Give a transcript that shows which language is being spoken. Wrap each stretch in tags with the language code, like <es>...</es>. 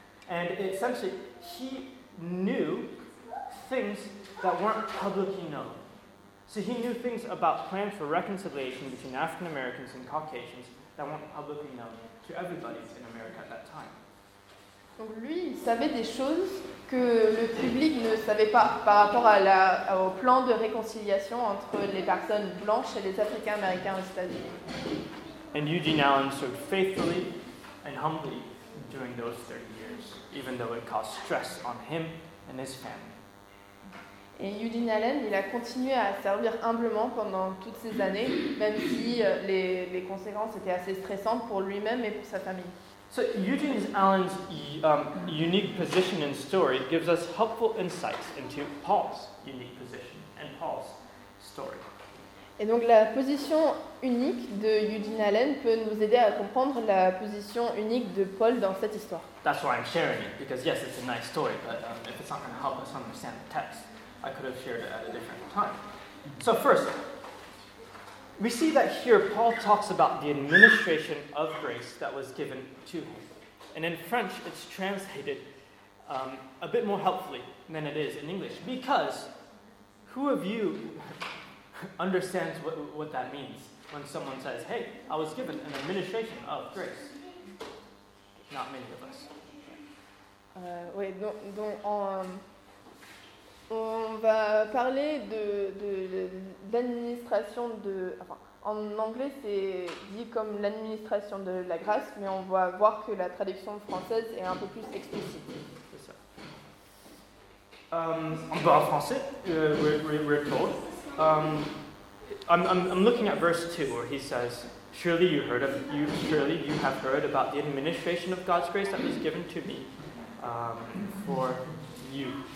<en>And essentially, he knew things that weren't publicly known. So he knew things about plans for reconciliation between African Americans and Caucasians that weren't publicly known to everybody in America at that time.</en> <fr>Donc lui, il savait des choses que le public ne savait pas par rapport au plan de réconciliation entre les personnes blanches et les Africains-Américains aux États-Unis.</fr> <en>And Eugene Allen served faithfully and humbly during those 30 years, even though it caused stress on him and his family.</en> <fr>Et Eugene Allen, il a continué à servir humblement pendant toutes ces années, même si les conséquences étaient assez stressantes pour lui-même et pour sa famille.</fr> <en>So Eugene Allen's unique position and story gives us helpful insights into Paul's unique position and Paul's story.</en> <fr>Et donc la position unique de Eugene Allen peut nous aider à comprendre la position unique de Paul dans cette histoire.</fr> <en>That's why I'm sharing it, because yes, it's a nice story, but if it's not going to help us understand the text, I could have shared it at a different time. So first, we see that here Paul talks about the administration of grace that was given to him. And in French, it's translated a bit more helpfully than it is in English, because who of you understands what that means when someone says, hey, I was given an administration of grace? Not many of us.</en> <fr>On va parler de l'administration de... Enfin, en anglais, c'est dit comme l'administration de la grâce, mais on va voir que la traduction française est un peu plus explicite. C'est ça. En français,</fr> <en>we're told. I'm looking at verse 2, where he says, Surely you heard of you. Surely you have heard about the administration of God's grace that was given to me for you.</en>